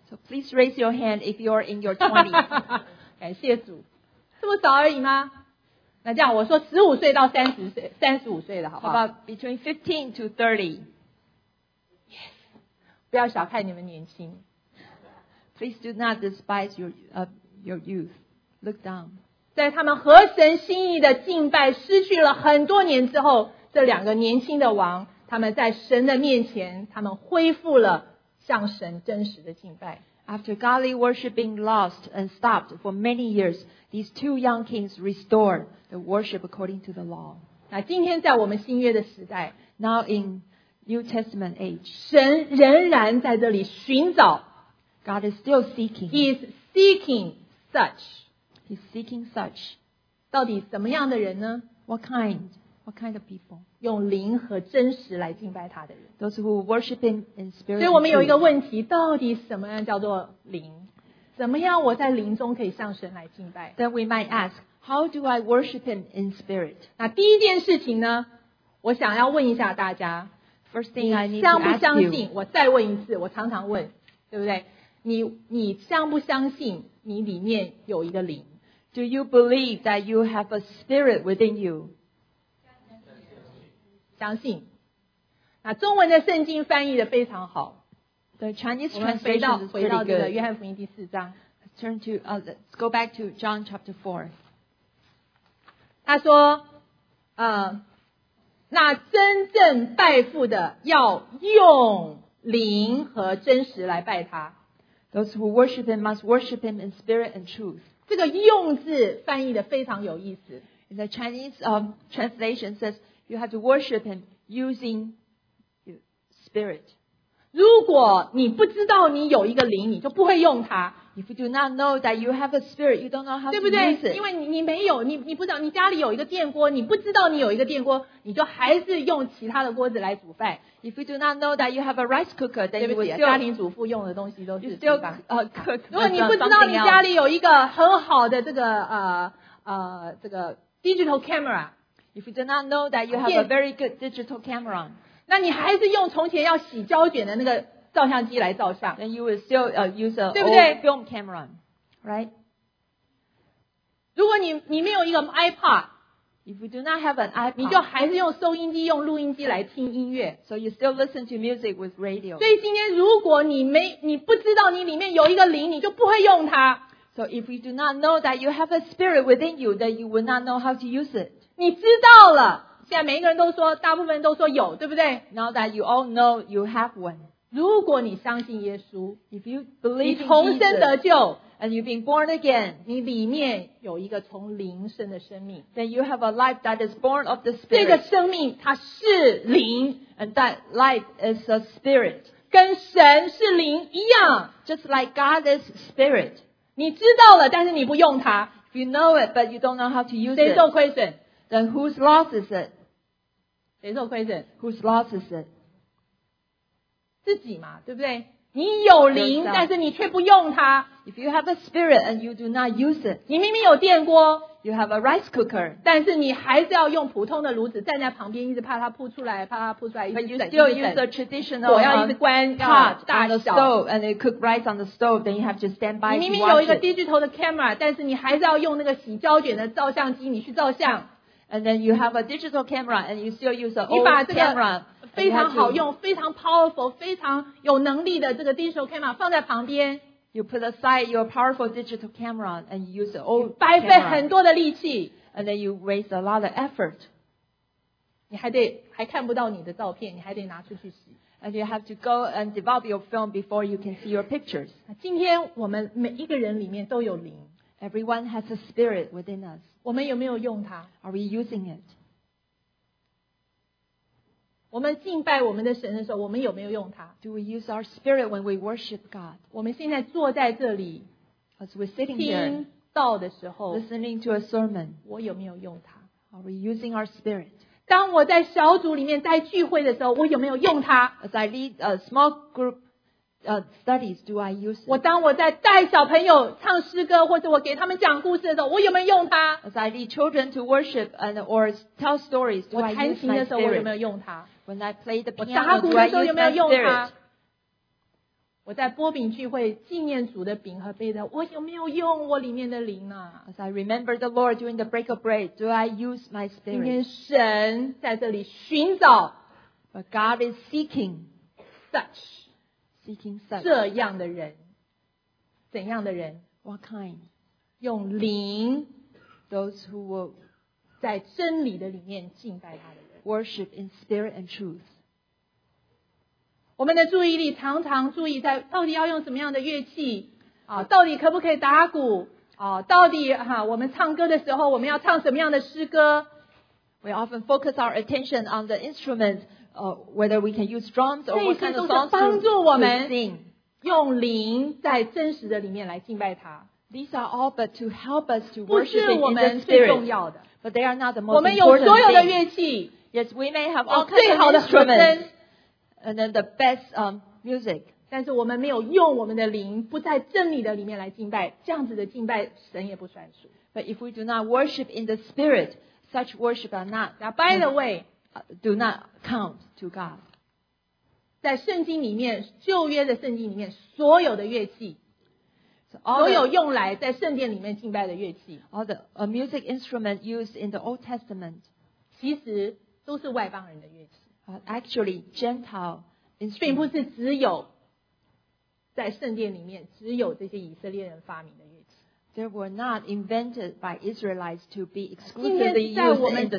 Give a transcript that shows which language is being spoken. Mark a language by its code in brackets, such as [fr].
[en] ？So please raise your hand if you are in your 20s. [zh] 感谢主，这么早而已吗？那这样我说15岁到30岁，35岁的好不好 [en] ？About between 15 to 30. Yes. [zh] 不要小看你们年轻。 [en] Please do not despise your youth. Look down. [zh] 在他们合神心意的敬拜失去了很多年之后，这两个年轻的王，他们在神的面前，他们恢复了向神真实的敬拜。 [en] After godly worship being lost and stopped for many years, these two young kings restored the worship according to the law. [zh] 那今天在我们新约的时代 [en] ，Now in New Testament age, [zh] 神仍然在这里寻找。 [en] God is still seeking. He is seeking such. He's seeking such. [zh] 到底怎么样的人呢？ [en] What kind of people? [zh] 用灵和真实来敬拜他的人。 [en] Those who worship him in spirit. [zh] 所以我们有一个问题，到底什么样叫做灵？怎么样我在灵中可以向神来敬拜？ [en] Then we might ask, how do I worship him in spirit? [zh] 那第一件事情呢，我想要问一下大家。 [en] First thing I need to ask you. [zh] 相不相信？我再问一次，我常常问，对不对？你相不相信你里面有一个灵 [en] ？Do you believe that you have a spirit within you？ [zh] 相信。那中文的圣经翻译的非常好。 [en] The Chinese translation is pretty good. [zh] 约翰福音第4章。 [en] Let's go back to John chapter 4. [zh] 他说，那真正拜父的要用灵和真实来拜他。 [en] Those who worship him must worship him in spirit and truth. [zh] 这个用字翻译的非常有意思。 [en] In the Chinese translation says, you have to worship him using spirit. [zh] 如果你不知道你有一个灵，你就不会用它。 [en] If you do not know that you have a spirit, you don't know how to use it. [zh] 对不对？因为你没有，你不知道，你家里有一个电锅，你不知道你有一个电锅，你就还是用其他的锅子来煮饭。 [en] If you do not know that you have a rice cooker, then you still [zh] 家庭主妇用的东西都是 [en] still cook. [zh] 如果你不知道你家里有一个很好的这个这个 digital camera, [en] if you do not know that you have a very good digital camera, [zh] 那你还是用从前要洗胶卷的那个。照相机来照相 [en] then you will still use a old film camera, right? [zh] 如果你没有一个 iPod, [en] if you do not have an iPod, [zh] 你就还是用收音机、用录音机来听音乐 [en] so you still listen to music with radio. [zh] 所以今天如果你不知道你里面有一个灵，你就不会用它 [en] So if you do not know that you have a spirit within you, then you will not know how to use it. [zh] 你知道了，现在每一个人都说，大部分人都说有，对不对 [en] ？Now that you all know you have one. [zh] 如果你相信耶稣 [en] if you believe [zh] 你重生得救 [en] and you've been born again [zh] 你里面有一个从灵生的生命 [en] then you have a life that is born of the spirit [zh] 这个生命它是灵 [en] and that life is a spirit [zh] 跟神是灵一样 [en] just like God is spirit [zh] 你知道了但是你不用它 [en] if you know it but you don't know how to use it [zh] 谁受亏损 [en] then whose loss is it [zh] 谁受亏损 [en] whose loss is it [zh] 自己嘛，对不对？你有灵，但是你却不用它。 [en] If you have a spirit and you do not use it, [zh] 你明明有电锅 [en] ，you have a rice cooker, [zh] 但是你还是要用普通的炉子站在旁边，一直怕它扑出来，怕它扑出来，一直等。 [en] But you still use the traditional pot, [zh] 要一直关 [en] ，pot on the stove, and they cook rice on the stove. Then you have to stand by. [zh] 你明明有一个 digital 的 camera, 但是你还是要用那个洗胶卷的照相机，你去照相。 [en] And then you have a digital camera, and you still use an old camera. [zh] 非常好用非常 [en] powerful [zh] 非常有能力的这个 digital camera 放在旁边 [en] You put aside your powerful digital camera and you use the old camera [zh] 白费很多的力气 [en] And then you waste a lot of effort [zh] 你还看不到你的照片你还得拿出去洗 [en] And you have to go and develop your film before you can see your pictures [zh] 今天我们每一个人里面都有灵 [en] Everyone has a spirit within us [zh] 我们有没有用它 [en] Are we using it? [zh] 我们敬拜我们的神的时候，我们有没有用它 [en] ？Do we use our spirit when we worship God？ [zh] 我们现在坐在这里 [en] ，as we're sitting here， [zh] 听到的时候 [en] ，listening to a sermon， [zh] 我有没有用它 [en] ？Are we using our spirit？ [zh] 当我在小组里面在聚会的时候，我有没有用它 [en] ？As I lead a small group studies， do I use？ [zh] 我当我在带小朋友唱诗歌，或者我给他们讲故事的时候，我有没有用它 [en] ？As I lead children to worship and or tell stories， do I use my spirit？ [zh] 我弹琴的时候，我有没有用它？ [en] When I play the piano, [zh] 我打鼓的时候有没有用它？我在擘饼聚会纪念主的饼和杯的，我有没有用我里面的灵啊 [en] ？As I remember the Lord during the break of bread, do I use my spirit? [zh] 今天神在这里寻找 [en] ，But God is seeking such, seeking such [zh] 这样的人，怎样的人 [en] ？What kind? [zh] 用灵 [en] ，those who will [zh] 在真理的里面敬拜他的。 [en] Worship in spirit and truth. [zh] 我们的注意力常常注意在到底要用什么样的乐器啊？到底可不可以打鼓啊？到底哈、啊，我们唱歌的时候我们要唱什么样的诗歌 [en] ？We often focus our attention on the instruments, whether we can use drums or what kind of songs to sing. [zh] 这些都是帮助我们用灵在真实的里面来敬拜他。 [en] These are all but to help us to worship in the spirit. [zh] 不是我们最重要的。 [en] But they are not the most [zh] 我们有所有的乐器 [en] ，Yes, we may have all kinds of instruments, and then the best music. [zh] 但是我们没有用我们的灵，不在真理的里面来敬拜，这样子的敬拜神也不算数。 [en] But if we do not worship in the spirit, such worship are not. Now, by the way, do not count to God. [zh] 在圣经里面，旧约的圣经里面，所有的乐器。所有用来在圣殿里面敬拜的乐器 [en] All the music instrument used in the Old Testament [zh] 其实都是外邦人的乐器 [en] Actually, Gentile instruments [zh] 并不是只有在圣殿里面只有这些以色列人发明的乐器 [en] They were not invented by Israelites to be exclusively used in the temple.